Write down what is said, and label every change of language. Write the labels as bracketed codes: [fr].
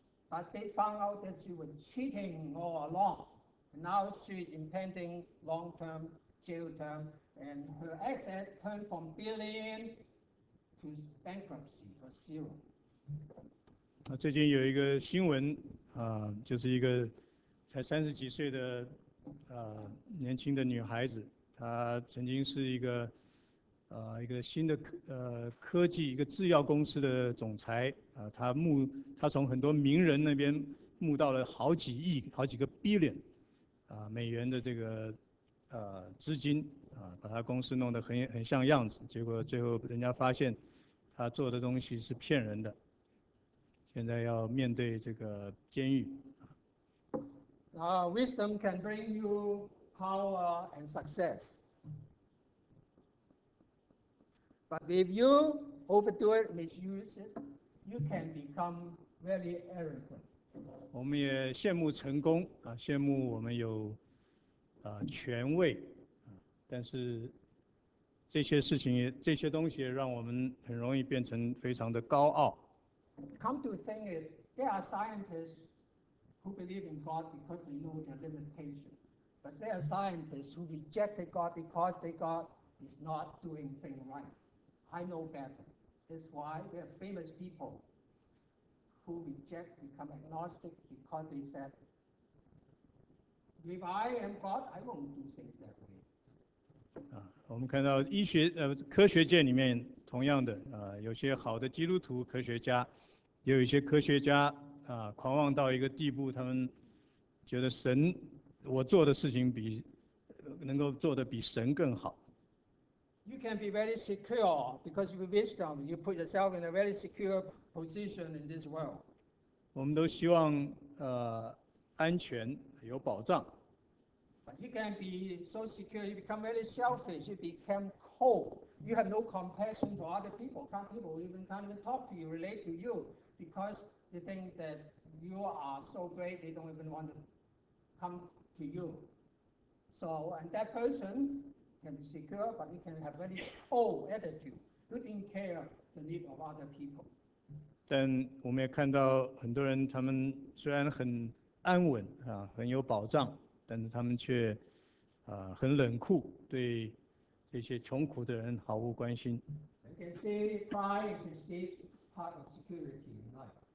[en] But they found out that she was cheating all along. And now she's impending long-term jail term, and her assets turned from billion to bankruptcy. [zh] 最近有一个新闻就是一个才三十几岁的年轻的女孩子，她曾经是一个新的科技一个制药公司的总裁，她从很多名人那边募到了好几亿好几个 billion 美元的这个资金，把她公司弄得很像样子，结果最后人家发现他做的东西是骗人的，现在要面对这个监狱。 [en] Wisdom can bring you power and success. But if you overdo it, misuse it, you can become very arrogant. [zh] 我们也羡慕成功啊，羡慕我们有权位，但是这些事情、这些东西让我们很容易变成非常的高傲。 [en] Come to think it, there are scientists who believe in God because they know their limitation. But there are scientists who rejected God because they God is not doing things right. I know better. That's why there are famous people who reject, become agnostic because they said, if I am God, I won't do things that way. [zh] 我们看到医学，科学界里面同样的，有些好的基督徒科学家，也有一些科学家狂妄到一个地步，他们觉得神，我做的事情比，能够做得比神更好。 [en] You can be very secure because you wisdom. You put yourself in a very secure position in this world. [zh] 我们都希望安全有保障。 [en] But you can be so secure, you become very selfish. You become cold. You have no compassion for other people. Some people even can't even talk to you, relate to you, because they think that you are so great, they don't even want to come to you. So, and that person can be secure, but you can have very cold attitude. You didn't care the need of other people. [zh] 但我们也看到很多人，他们虽然很安稳啊，很有保障，但是他们却很冷酷，对这些穷苦的人毫无关心。 [en] You can say pride is the safest part of security in life.